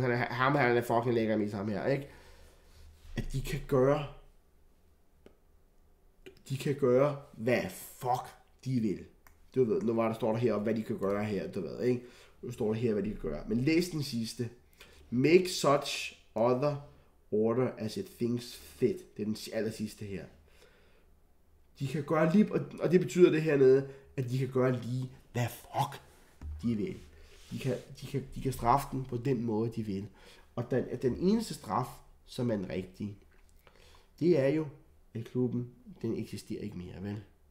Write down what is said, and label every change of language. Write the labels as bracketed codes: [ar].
[da] Han er fucking lækker med ham her, ikke? At de kan gøre... De kan gøre, hvad fuck de vil. Du ved, nu var der står der her, hvad de kan gøre her, du ved, ikke? Nu står der her, hvad de kan gøre. Men læs den sidste. [en] Make such other order as it thinks fit. [da] Det er den aller sidste her. De kan gøre lige, og det betyder det hernede, at de kan gøre lige, hvad fuck de vil. De kan straffe den på den måde, de vil. Og den eneste straf, som er den rigtige, det er jo, at klubben, den eksisterer ikke mere, vel?